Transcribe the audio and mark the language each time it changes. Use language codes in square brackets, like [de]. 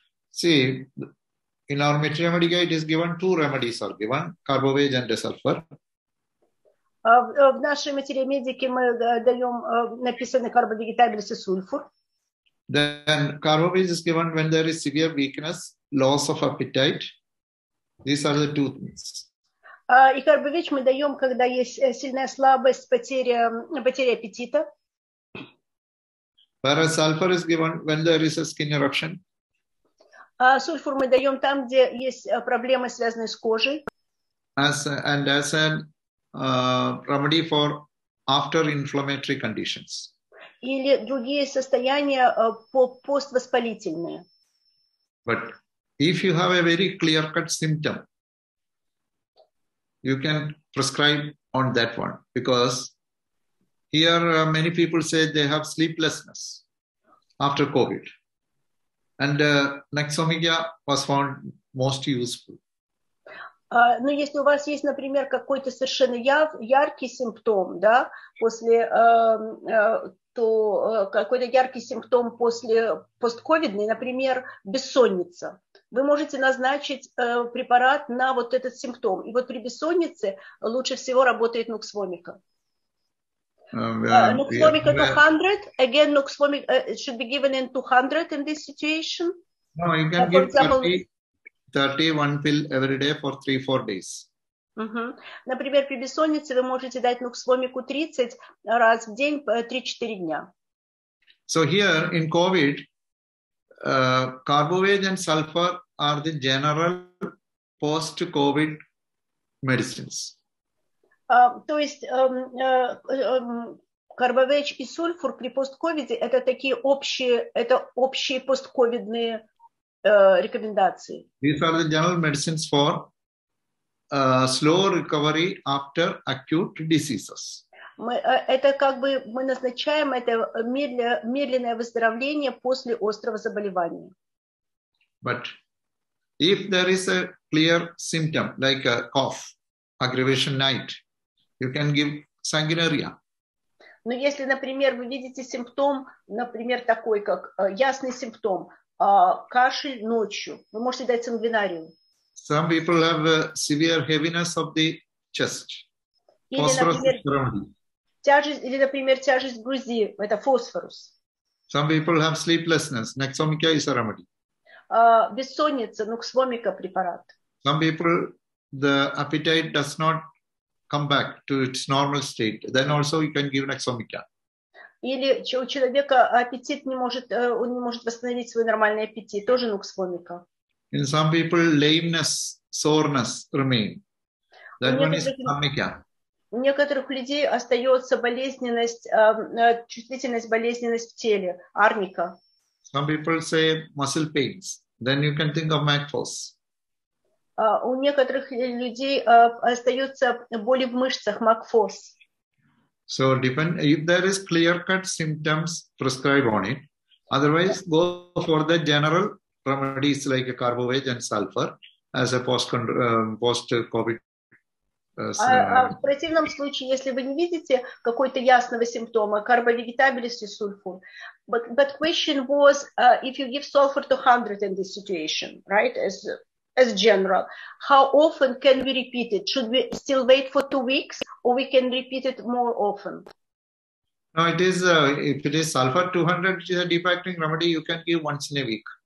[en] See, in our Mitra Remedy Guide, it is given 2 remedies are given: carbovech and sulfur. [ru] В нашей материи медики мы даем написанный карбовегетабилис и сульфур. [en] Then carbovegetables is given when there is severe weakness, loss of appetite. These are the 2 things. [ru] И карбовеч мы даем, когда есть сильная слабость, потеря аппетита. [en] Whereas sulfur is given when there is a skin eruption. [ru] Сульфур мы даем там, где есть проблемы, связанные с кожей. [en] Remedy for after inflammatory conditions. [ru] Или другие состояния поствоспалительные. [en] But if you have a very clear-cut symptom, you can prescribe on that one. Because here many people say they have sleeplessness. after COVID. And Nexomigia was found most useful. [ru] Ну, если у вас есть, например, какой-то совершенно яркий симптом, да, после, то какой-то яркий симптом после постковидный, например, бессонница, вы можете назначить препарат на вот этот симптом. И вот при бессоннице лучше всего работает Nuxvomica. [en] Nuxvomica 200, again, Nuxvomica should be given in 200 in this situation. No, you can give for example, 31 pill every day for 3-4 days. [ru] Например, при бессоннице вы можете дать Nuxvomica 30 раз в день 3-4 дня. [en] So here in COVID, carbovege and sulfur are the general post-COVID medicines. [ru] То есть carbovege и сульфур при постковиде это такие общие, это общие постковидные рекомендации. [en] These are the general medicines for slow recovery after acute diseases. [ru] Это как бы мы назначаем это медленное выздоровление после острого заболевания. [en] But if there is a clear symptom like a cough, aggravation night, you can give sanguinaria. [ru] Но если, например, вы видите симптом, например, такой как ясный симптом, кашель ночью, вы можете дать сангвинарию. [en] Some people have a severe heaviness of the chest. [ru] Или, например, тяжесть в груди, это фосфорус. [en] Some people have sleeplessness, Nexomica is a remedy. [ru] Бессонница, Nuxvomica препарат. [en] Some people, the appetite does not come back to its normal state, then also you can give Nexomica. [ru] Или у человека аппетит не может, он не может восстановить свой нормальный аппетит, тоже Nuxvomica. [en] In some people, lameness, soreness remain. That one is Nuxvomica. [ru] У некоторых людей остается болезненность, чувствительность, болезненность в теле, арника. [en] Some people say muscle pains. Then you can think of Macfos. [ru] У некоторых людей остается боли в мышцах, Macfos. [en] So depend if there is clear-cut symptoms, prescribe on it. Otherwise, go for the general remedies like carbovege and sulfur as a post-COVID. [ru] В противном случае, если вы не видите какой-то ясного симптома, карбовегетабилис и сульфур. [en] But question was, if you give sulfur 200 in this situation, right, as general, how often can we repeat it? Should we still wait for 2 weeks, or we can repeat it more often? No, it is, if it is sulfur 200, which is a deep acting remedy, you can give once in a week.